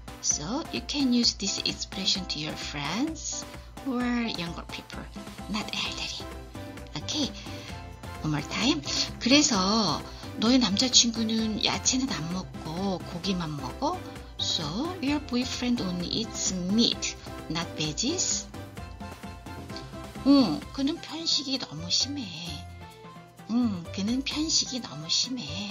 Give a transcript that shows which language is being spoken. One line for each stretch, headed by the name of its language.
English: So you can use this expression to your friends or younger people, not elderly. Okay. One more time.
Korean: 그래서 너의 남자친구는 야채는 안 먹고 고기만 먹어?
English: So your boyfriend only eats meat, not veggies?
Korean: 응, 그는 편식이 너무 심해. 응, 그는 편식이 너무 심해.